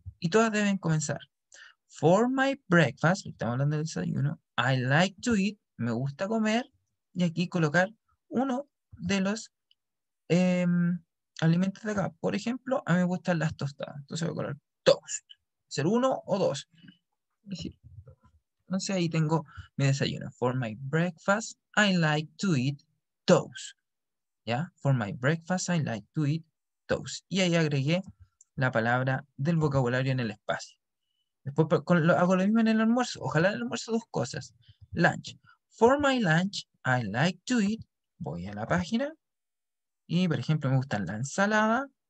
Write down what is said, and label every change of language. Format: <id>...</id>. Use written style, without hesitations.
<es>Y todas deben comenzar.</es> <en>For my breakfast,</en> <es>estamos hablando del desayuno,</es> <en>I like to eat,</en> <es>me gusta comer, y aquí colocar uno de los alimentos de acá. Por ejemplo, a mí me gustan las tostadas. Entonces voy a colocar toast. ¿Ser uno o dos? Entonces ahí tengo mi desayuno.</es> <en>For my breakfast, I like to eat toast.</en> <es>¿Ya?</es> <en>For my breakfast, I like to eat toast.</en> <es>Y ahí agregué la palabra del vocabulario en el espacio. Después hago lo mismo en el almuerzo. Ojalá en el almuerzo 2 cosas.</es> <en>Lunch. For my lunch, I like to eat.</en> <es>Voy a la página. Y por ejemplo, me gusta la ensalada.</es>